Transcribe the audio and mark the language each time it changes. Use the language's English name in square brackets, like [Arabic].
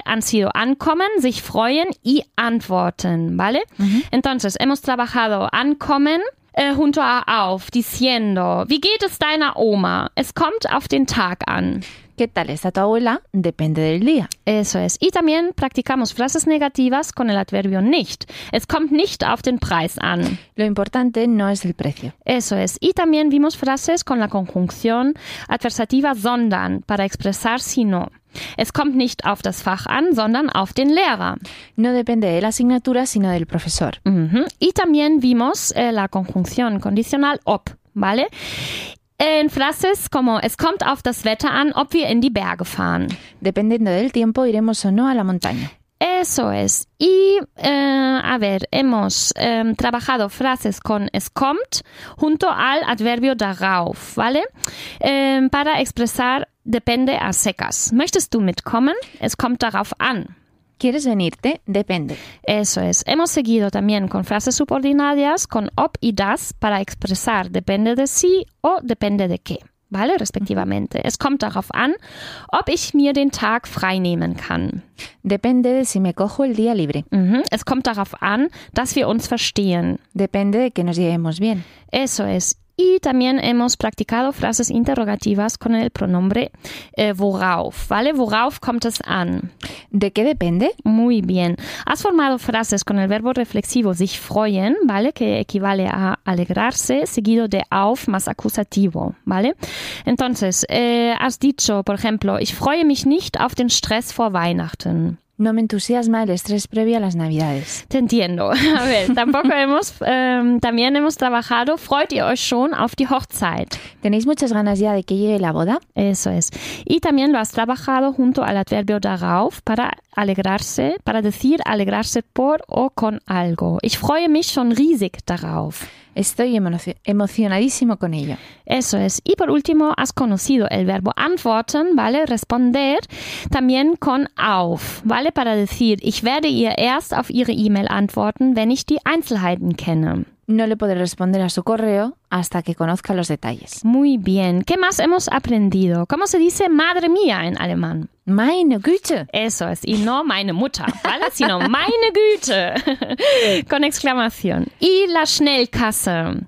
[Spanish] Han sido ankommen, sich freuen y antworten, ¿vale? Uh-huh. Entonces, hemos trabajado ankommen junto a auf, diciendo, [German] wie geht es deiner Oma? Es kommt auf den Tag an. [Spanish] ¿Qué tal está tu abuela? Depende del día. Eso es. Y también practicamos frases negativas con el adverbio nicht. [German] Es kommt nicht auf den Preis an. [Spanish] Lo importante no es el precio. Eso es. Y también vimos frases con la conjunción adversativa sondern para expresar sino. [German] Es kommt nicht auf das Fach an, sondern auf den Lehrer. [Spanish] No depende de la asignatura, sino del profesor. Mm-hmm. Y también vimos la conjunción condicional ob, ¿vale? En frases como, [German] es kommt auf das Wetter an, ob wir in die Berge fahren. [Spanish] Dependiendo del tiempo, iremos o no a la montaña. Eso es. Y, a ver, hemos trabajado frases con es kommt junto al adverbio darauf, ¿vale? Para expresar depende a secas. [German] ¿Möchtest du mitkommen? Es kommt darauf an. [Spanish] ¿Quieres venirte? Depende. Eso es. Hemos seguido también con frases subordinadas con ob y das para expresar depende de sí o depende de qué, ¿vale? Respectivamente. [German] Es kommt darauf an, ob ich mir den Tag frei nehmen kann. [Spanish] Depende de si me cojo el día libre. Uh-huh. [German] Es kommt darauf an, dass wir uns verstehen. [Spanish] Depende de que nos llevemos bien. Eso es. Y también hemos practicado frases interrogativas con el pronombre worauf, ¿vale? [German] ¿Worauf kommt es an? [Spanish] ¿De qué depende? Muy bien. Has formado frases con el verbo reflexivo sich freuen, ¿vale? Que equivale a alegrarse, seguido de auf más acusativo, ¿vale? Entonces, has dicho, por ejemplo, [German] ich freue mich nicht auf den Stress vor Weihnachten. [Spanish] No me entusiasma el estrés previo a las Navidades. Te entiendo. A ver, tampoco hemos... también hemos trabajado. [German] Freut ihr euch schon auf die Hochzeit? [Spanish] ¿Tenéis muchas ganas ya de que llegue la boda? Eso es. Y también lo has trabajado junto al adverbio darauf para alegrarse, para decir alegrarse por o con algo. [German] Ich freue mich schon riesig darauf. [Spanish] Estoy emocionadísimo con ello. Eso es. Y por último, has conocido el verbo antworten, ¿vale? Responder, también con auf, ¿vale? Para decir, [German] ich werde ihr erst auf ihre E-Mail antworten, wenn ich die Einzelheiten kenne. [Spanish] No le podré responder a su correo hasta que conozca los detalles. Muy bien. ¿Qué más hemos aprendido? ¿Cómo se dice madre mía en alemán? [German] Meine Güte. [Spanish] Eso es. Y no [German] meine Mutter, [Spanish] ¿vale? Sino [German] meine Güte. [Spanish] Con exclamación. Y la Schnellkasse.